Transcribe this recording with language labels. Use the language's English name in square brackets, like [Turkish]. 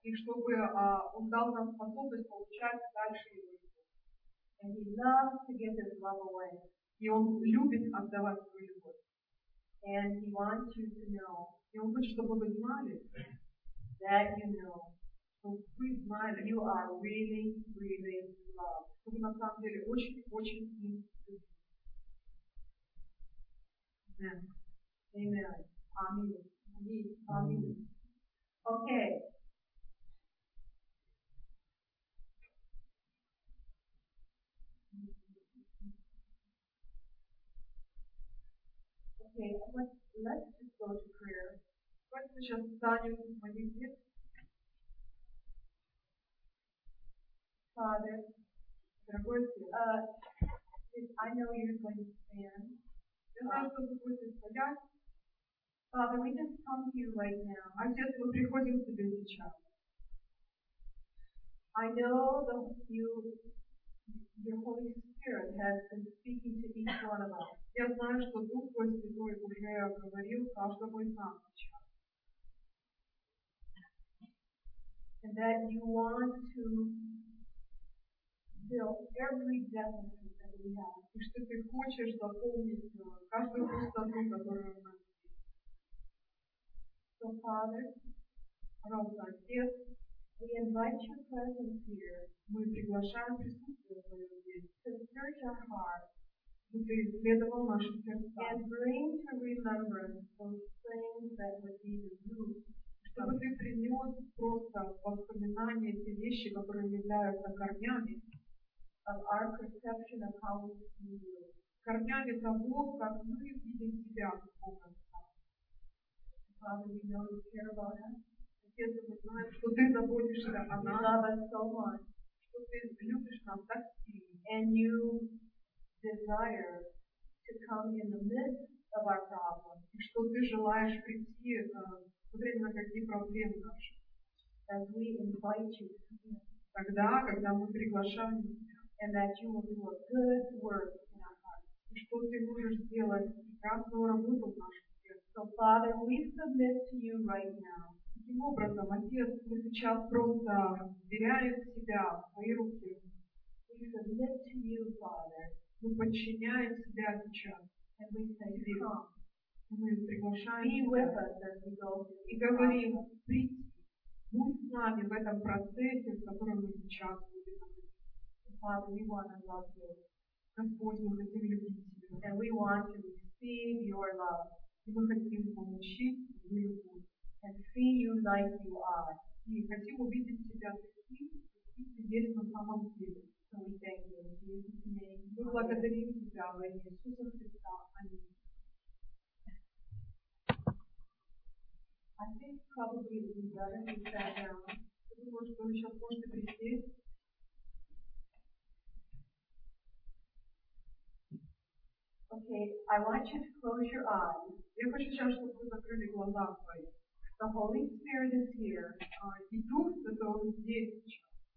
[English] And he loves to give his love away. And he wants you to know. That you know, you are really, really loved. [Russian] На самом деле очень, очень любим. [English] Amen. Amen. Okay. Okay. Let's just go to prayer. [Russian] Давайте сейчас встанем в молитве. [English] Father, I know you're going to stand. [Russian] Я знаю, что вы будете стоять. [English] Father, we just come to you right now. [Russian] Отец, мы приходим к тебе сейчас. [English] I know that your Holy Spirit has been speaking to each one of us. [Russian] Я знаю, что Дух Святой уже говорил каждому из нас сейчас. [English] And that you want to fill every deficit that we have. [Russian] И что ты хочешь заполнить каждую пустоту, которую у нас есть. [English] So, Father, [Russian] Отец, [English] we invite your presence here. [Russian] Мы приглашаем присутствие твое здесь. [English] To search our hearts. [Russian] Чтобы ты исследовал наши сердца. [English] And bring to remembrance those things that would be the root. [Russian] Чтобы ты принес просто воспоминания те вещи, которые являются корнями, [English] of our perception of how we see you. [Russian] Корнями того, как мы видим себя в Боге. [English] Father, we know you care about us. [Russian] Отец, мы знаем, что ты заботишься о нас. [English] You love us so much. [Russian] Что ты любишь нас так сильно. [English] And you desire to come in the midst of our problems. [Russian] И что ты желаешь прийти время, какие проблемы наши. [English] As we invite you to him. [Russian] Тогда, когда мы приглашаем тебя. [English] And that you will do a good work in our hearts. [Russian] И что ты можешь сделать прекрасную работу в нашем сердце. [English] So, Father, we submit to you right now. [Russian] Таким образом, Отец, мы сейчас просто вверяем себя в твои руки. [English] We submit to you, Father. [Russian] Мы подчиняем себя сейчас. [English] And we say, come. [Russian] Мы приглашаем [English] be with us as we go. [Russian] И говорим, прийти, будь с нами в этом процессе, в котором мы сейчас будем. [English] Father, we want to love you. [Russian] Господь, мы хотим любить тебя. [English] And we want to receive your love. [Russian] И мы хотим получить твою любовь. [English] And see you like you are. [Russian] И хотим увидеть тебя таким, каким ты есть на самом деле. [English] So we thank you. In Jesus' name. [Russian] благодарим Тебя во имя Иисуса Христа. Аминь. [English] I think probably it would be better if you sat down. [Russian] Это может быть еще позже прийти. [English] Okay, I want you to close your eyes. [Russian] Я хочу сейчас, чтобы вы закрыли глаза свои. [English] The Holy Spirit is here. [Russian] И Дух Святой здесь сейчас.